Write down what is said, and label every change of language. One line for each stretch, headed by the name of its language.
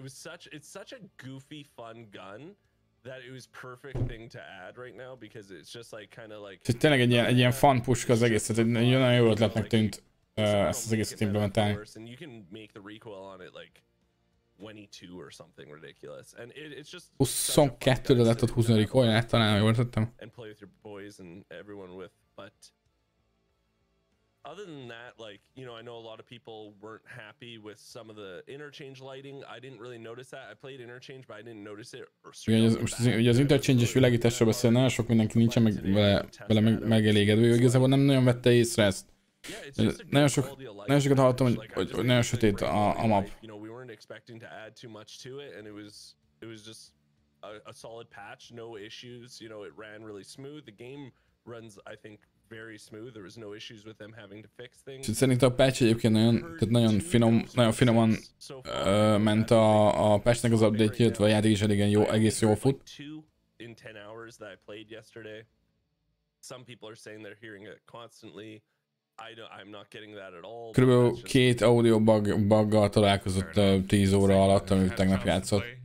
English: It's such a goofy fun gun that it was perfect thing to add right now because it's just like kind of like.
Hungarian: Tehát tényleg egy ilyen fun puska az egész, tehát nagyon jó ötletnek tűnt ezt az egészet implementálni.
English: And you can make the recoil on it like 22 or something ridiculous, and it's just
Hungarian: 22 de lehetett húzni a recoilet, talán jól értettem.
English: And play with your boys and everyone with, but other than that, like, you know, I know a lot of people weren't happy with some of the interchange lighting. I didn't really notice that. I played interchange, but I didn't notice it.
Hungarian: Ugye az interchange-es világításról beszél, nagyon sok mindenki nincsen vele megelégedve, hogy igazából nem nagyon vette észre ezt. Nagyon sokat hallottam, hogy nagyon sötét a map.
English: You know, we weren't expecting to add too much to it, and it was just a solid patch, no issues. You know, it ran really smooth. The game runs, I think, very smooth. There was no issues with them having to fix things.
Hungarian: Szerintem a patch egyébként nagyon finoman ment a patchnek az update, illetve a játék is egész jó fut.
English: In 10 hours that I played yesterday, some people are saying they're hearing it constantly. I'm not getting that at all.
Hungarian: Körülbelül két audio buggal találkozott 10 óra alatt, amit tegnap játszott.